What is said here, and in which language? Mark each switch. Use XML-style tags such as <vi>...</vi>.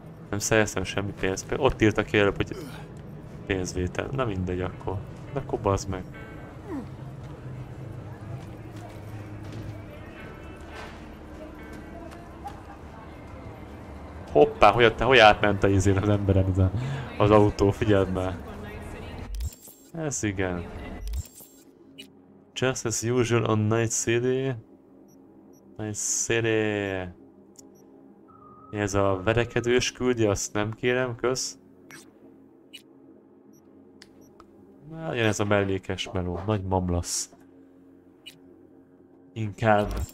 <hu>Nem szereztem semmi pénzt. Ott írta ki előbb, hogy pénzvétel. Na mindegy akkor. Na akkor bazd meg. Hoppá, hogy te, hogy átment a izén az emberem, az autó, figyeld már. Ez igen.</hu> <en>Just as usual on Night City. Night City.</en> <hu>Ez a verekedős küldi, azt nem kérem, kösz. Na, jön ez a mellékes meló, nagy mamlasz. Inkább.</hu>